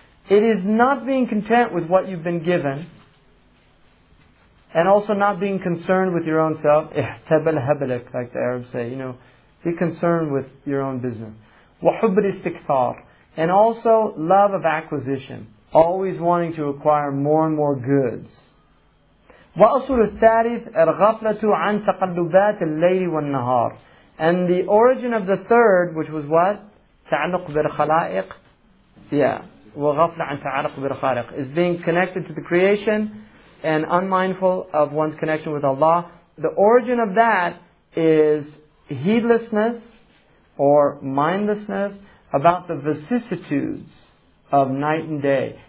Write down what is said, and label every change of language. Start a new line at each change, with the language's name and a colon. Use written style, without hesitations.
English: It is not being content with what you've been given, and also not being concerned with your own self.
Arabic: احتبل هبلك,
English: like the Arabs say, you know, be concerned with your own business.
Arabic: وحب الاستكثار.
English: And also love of acquisition, always wanting to acquire more and more goods.
Arabic: وأصل الثالث الغفلة عن تقلبات الليل والنهار.
English: And the origin of the third, which was what?
Arabic: تعلق بالخلائق. Yeah. وغفلة عن تعلق بالخالق.
English: Is being connected to the creation and unmindful of one's connection with Allah. The origin of that is heedlessness or mindlessness about the vicissitudes of night and day.